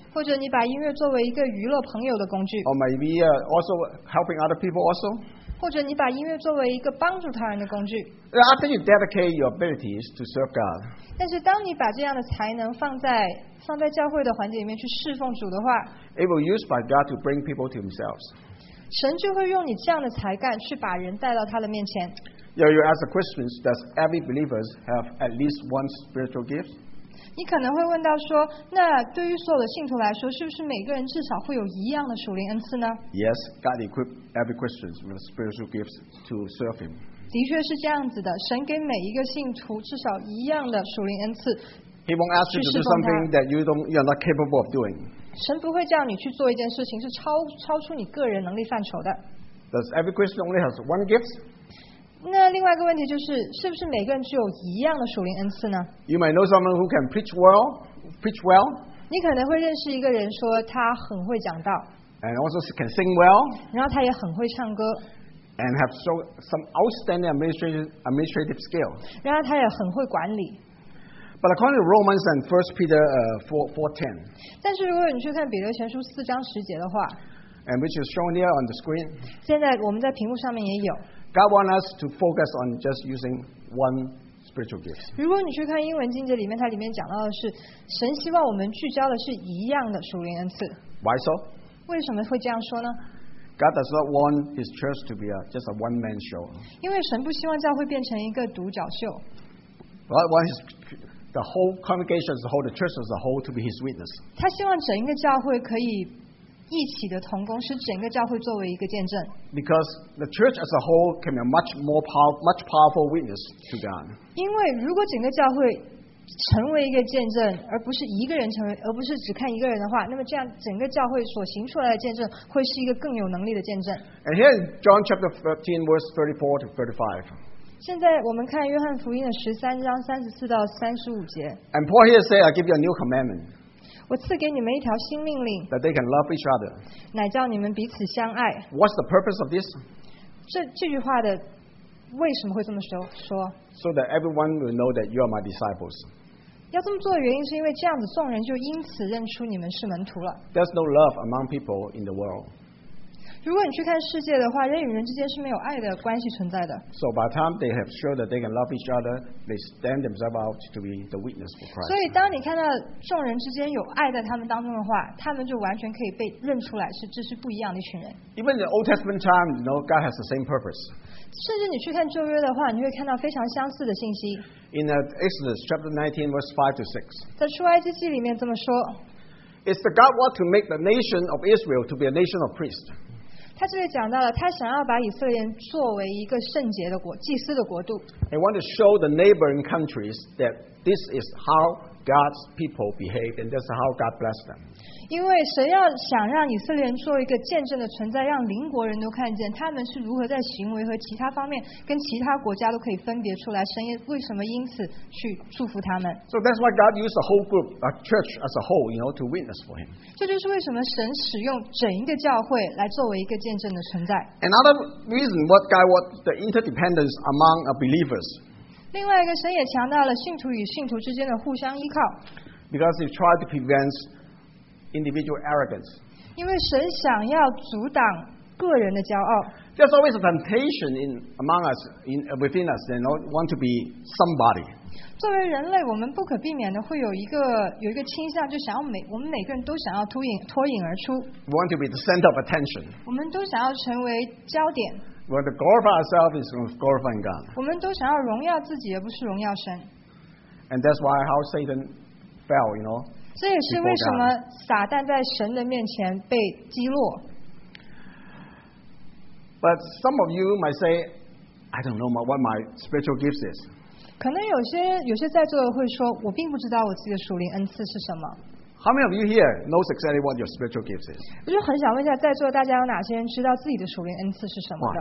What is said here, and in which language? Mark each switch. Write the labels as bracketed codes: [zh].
[zh] 或者你把音乐作为一个娱乐朋友的工具。 [en] Or maybe also helping other people also. [zh] 或者你把音乐作为一个帮助他人的工具。 [en] After you dedicate your abilities to serve God. [zh] 但是当你把这样的才能放在教会的环节里面去侍奉主的话 [en] ，It will be used by God to bring people to Himself. [zh] 神就会用你这样的才干去把人带到他的面前。 [en] Yeah, you ask the question, does every believer have at least one spiritual gift? [zh] 你可能会问到说，那对于所有的信徒来说，是不是每个人至少会有一样的属灵恩赐呢？ [en] Yes, God equipped every Christian with spiritual gifts to serve him. [zh] 的确是这样子的，神给每一个信徒至少一样的属灵恩赐。 [en] He won't ask you to do something that you're not capable of doing. [zh] 神不会叫你去做一件事情是超出你个人能力范畴的。 [en] Does every Christian only have one gift? [zh] 那另外一个问题就是，是不是每个人只有一样的属灵恩赐呢？ [en] You might know someone who can preach well. [zh] 你可能会认识一个人，说他很会讲道。 [en] And also can sing well. [zh] 然后他也很会唱歌。 [en] And have shown some outstanding administrative skill. [zh] 然后他也很会管理。 [en] But according to Romans and 1 Peter 4:10. [zh] 但是如果你去看彼得前书四章十节的话 [en] ，And which is shown here on the screen. [zh] 现在我们在屏幕上面也有。 [en] God wants us to focus on just using one spiritual gift. [zh] 如果你去看英文经节里面，它里面讲到的是，神希望我们聚焦的是一样的属灵恩赐。 [en] Why so? [zh] 为什么会这样说呢？ [en] God does not want His church to be just a one-man show. [zh] 因为神不希望教会变成一个独角秀。 [en] God wants the whole congregation, the whole church as a whole, to be His witness. [zh] 他希望整个教会可以。一起的同工使整个教会作为一个见证 [en] because the church as a whole can be a much powerful witness to God [zh] 因为如果整个教会成为一个见证而不是一个人成为而不是只看一个人的话那么这样整个教会所行出来的见证会是一个更有能力的见证 [en] and here in John chapter 13 verse 34 to 35 [zh] 现在我们看约翰福音的十三章三十四到三十五节 [en] and Paul here says I give you a new commandment [zh] 我赐给你们一条新命令 [en] that they can love each other. [zh] 乃叫你们彼此相爱 [en] What's the purpose of this? [zh] 这句话的为什么会这么说 [en] So that everyone will know that you are my disciples. [zh] 要这么做的原因是因为这样子众人就因此认出你们是门徒了。 [en] There's no love among people in the world. [zh] 如果你去看世界的话，人与人之间是没有爱的关系存在的。 [en] So by the time they have shown that they can love each other, they stand themselves out to be the witness for Christ. [zh] 所以当你看到众人之间有爱在他们当中的话，他们就完全可以被认出来是这是不一样的一群人。 [en] Even in the Old Testament time, you know, God has the same purpose. [zh] 甚至你去看旧约的话，你会看到非常相似的信息。 [en] In Exodus chapter 19, verse 5 to 6, [zh] 在出埃及记里面这么说。 [en] Is the God want to make the nation of Israel to be a nation of priests? [zh] 他这里讲到了，他想要把以色列作为一个圣洁的国，祭司的国度。 [en] He want to show the neighboring countries that this is how God's people behave, and that's how God blessed them. [zh] 因为神要想让以色列人做一个见证的存在，让邻国人都看见他们是如何在行为和其他方面跟其他国家都可以分别出来，神也为什么因此去祝福他们。 [en] So that's why God used the whole group, a church as a whole, you know, to witness for him. [zh] 这就是为什么神使用整一个教会来作为一个见证的存在。 [en] Another reason what God wants the interdependence among believers. [zh] 另外一个神也强调了信徒与信徒之间的互相依靠。 [en] Because he tried to prevent individual arrogance. [zh] 因为神想要阻挡个人的骄傲。 [en] There's always a temptation in among us, in within us, they don't want to be somebody. [zh] 作为人类，我们不可避免的会有一个倾向，就想要我们每个人都想要脱颖而出。 [en] We want to be the center of attention. [zh] 我们都想要成为焦点。 [en] We want to glorify ourselves and glorify God. [zh] 我们都想要荣耀自己，而不是荣耀神。 [en] And that's why how Satan fell, you know. [zh] 这也是为什么撒旦在神的面前被击落。 [en] But some of you might say, I don't know what my spiritual gifts is. [zh] 可能有些在座的会说，我并不知道我自己的属灵恩赐是什么。 [en] How many of you here knows exactly what your spiritual gifts is? [zh] 我就很想问一下，在座大家有哪些人知道自己的属灵恩赐是什么的？